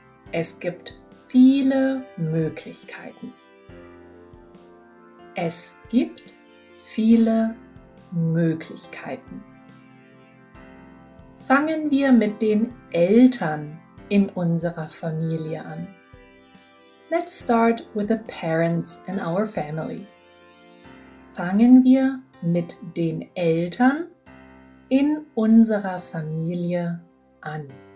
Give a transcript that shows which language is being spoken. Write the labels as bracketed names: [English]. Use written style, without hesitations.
[German] Es gibt viele Möglichkeiten. Es gibt viele Möglichkeiten. Fangen wir mit den Eltern in unserer Familie an. [English] Let's start with the parents in our family. [German] Fangen wir mit den Eltern in unserer Familie an.